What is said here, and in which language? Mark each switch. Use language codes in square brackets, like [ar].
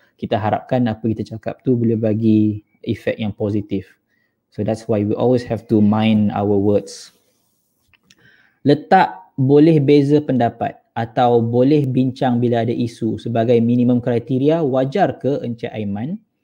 [ms] Kita harapkan apa kita cakap tu boleh bagi efek yang positif. [en] So that's why we always have to mind our words. [ms] Letak boleh beza pendapat atau boleh bincang bila ada isu sebagai minimum kriteria, wajar ke Encik Aiman?